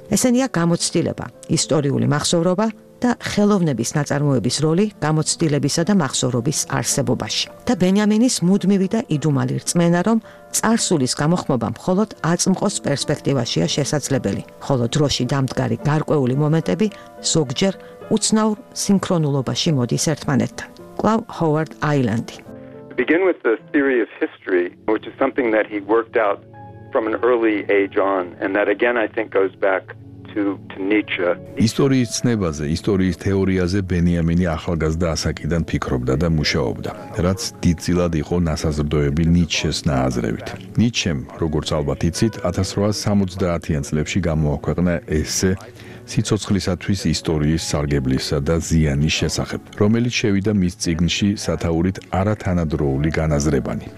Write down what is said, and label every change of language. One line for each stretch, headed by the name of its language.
Georgian: ესენია გამოცდილება, ისტორიული მახსოვრობა და ხელოვნების ნაწარმოების როლი გამოცდილებისა და მახსოვრობის არსებობაში. და ბენიამინის მუდმივი და იდუმალი რწმენა, რომ წარსულის გამოხმობა მხოლოდ აწმყოს პერსპექტივაშია შესაძლებელი, ხოლო დროში დამდგარი გარკვეული მომენტები ზოგჯერ უცნაურ სინქრონულობაში მოდის ერთმანეთთან. კვლავ ჰოვარდ აილანდი.
English: Begin with the theory of history, which is something that he worked out from an early age on, and that again I think goes back to to Nietzsche.
Georgian: ისტორიის ცნებაზე, ისტორიის თეორიაზე ბენიამინი ახალგაზრდა ასაკიდან ფიქრობდა და მუშაობდა, რაც დიდწილად იყო ნასაზრდოები ნიცშეს ნააზრევით. ნიცშემ, როგორც ალბათ იცით, 1870-იან წლებში გამოაქვეყნა ესე სიცოცხლისათვის ისტორიის სარგებლისა და ზიანის შესახებ, რომელიც შევიდა მის წიგნში სათაურით არათანადროული განაზრებანი.